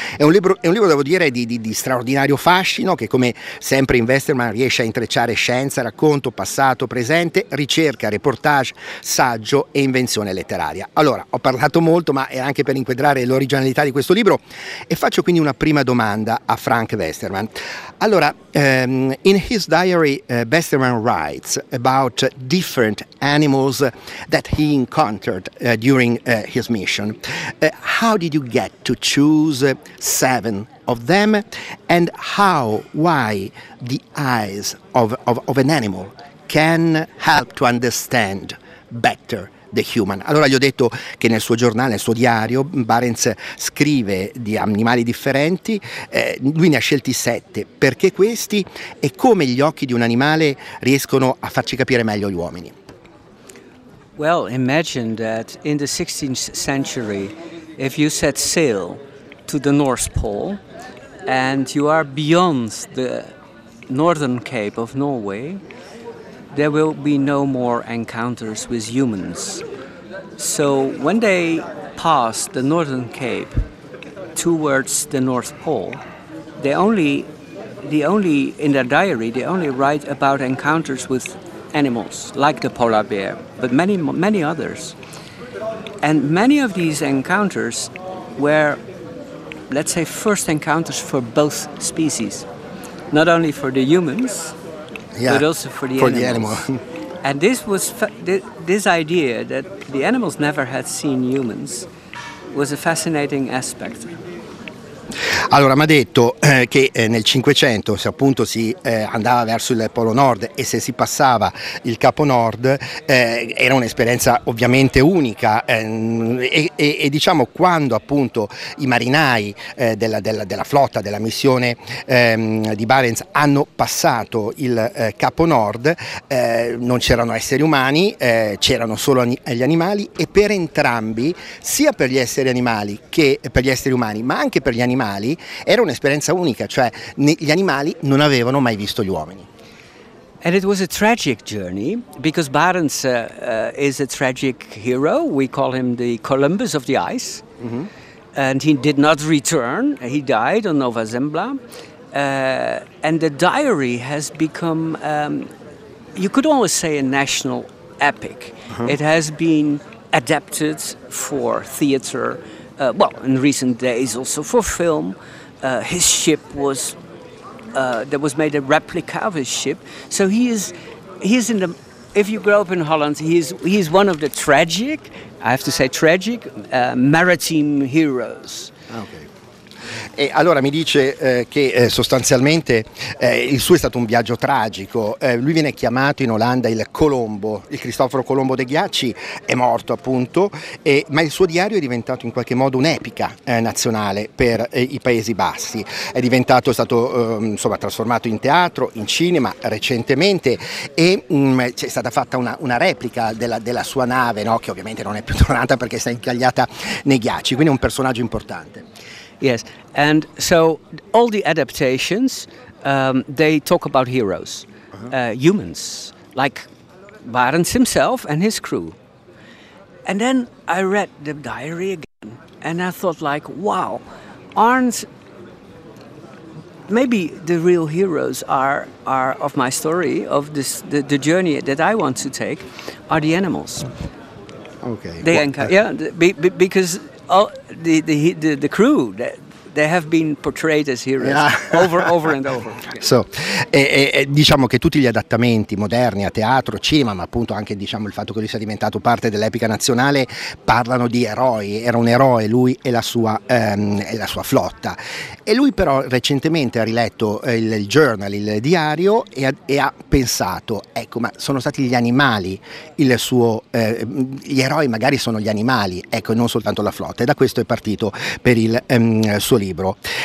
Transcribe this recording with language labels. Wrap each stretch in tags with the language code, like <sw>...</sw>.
<it>È un libro, devo dire, di straordinario fascino, che come sempre in Westerman riesce a intrecciare scienza, racconto, passato, presente, ricerca, reportage, saggio e invenzione letteraria. Allora, ho parlato molto, ma è anche per inquadrare l'originalità di questo libro, e faccio quindi una prima domanda a Frank Westerman. Allora,</it> <en>in his diary, Westerman writes about different animals that he encountered during his mission. How did you get to choose seven of them, and how, why the eyes of an animal can help to understand better the human.</en> <it>Allora gli ho detto che nel suo giornale, nel suo diario, Barents scrive di animali differenti, lui ne ha scelti 7, perché questi e come gli occhi di un animale riescono a farci capire meglio gli uomini.</it> <en>Well, imagine that in the 16th century, if you set sail to the North Pole and you are beyond the northern cape of Norway, there will be no more encounters with humans. So when they pass the northern cape towards the North Pole, the only in their diary, they only write about encounters with animals like the polar bear, but many, many others. And many of these encounters were, let's say, first encounters for both species, not only for the humans, yeah, but also for the animals. The animal. And this was this idea that the animals never had seen humans was a fascinating aspect.</en> <it>Allora, mi ha detto che nel Cinquecento, se appunto si andava verso il Polo Nord e se si passava il Capo Nord, era un'esperienza ovviamente unica, e diciamo quando appunto i marinai della flotta, della missione di Barents hanno passato il Capo Nord, non c'erano esseri umani, c'erano solo gli animali, e per entrambi, sia per gli esseri animali che per gli esseri umani, ma anche per gli animali, era un'esperienza unica, cioè gli animali non avevano mai visto gli uomini.</it> <en>And it was a tragic journey because Barents is a tragic hero. We call him the Columbus of the ice. Mm-hmm. And he did not return. He died on Nova Zembla. And the diary has become, you could almost say, a national epic. Uh-huh. It has been adapted for theater. Well, in recent days also for film, his ship was, there was made a replica of his ship. So he is in the, if you grow up in Holland, he is one of the tragic, I have to say tragic, maritime heroes. Okay.</en> <it>E allora mi dice che sostanzialmente il suo è stato un viaggio tragico. Lui viene chiamato in Olanda il Colombo, il Cristoforo Colombo dei Ghiacci, è morto appunto, ma il suo diario è diventato in qualche modo un'epica nazionale per i Paesi Bassi. È diventato, è stato insomma trasformato in teatro, in cinema recentemente, e c'è stata fatta una replica della sua nave, no? Che ovviamente non è più tornata perché si è incagliata nei ghiacci, quindi è un personaggio importante.</it> <en>Yes, and so all the adaptations, they talk about heroes, humans, like Barents himself and his crew. And then I read the diary again, and I thought, like, wow, aren't maybe the real heroes are of my story, of this the journey that I want to take, are the animals. Okay. They because the crew, they have been portrayed as heroes, yeah. over and over.</en> <it>So, diciamo che tutti gli adattamenti moderni a teatro, cinema, ma appunto anche diciamo il fatto che lui sia diventato parte dell'epica nazionale, parlano di eroi. Era un eroe lui e la sua flotta. E lui però recentemente ha riletto il journal, il diario, e ha pensato, ecco, ma sono stati gli animali il suo, gli eroi magari sono gli animali, ecco, e non soltanto la flotta. E da questo è partito per il suo libro.</it>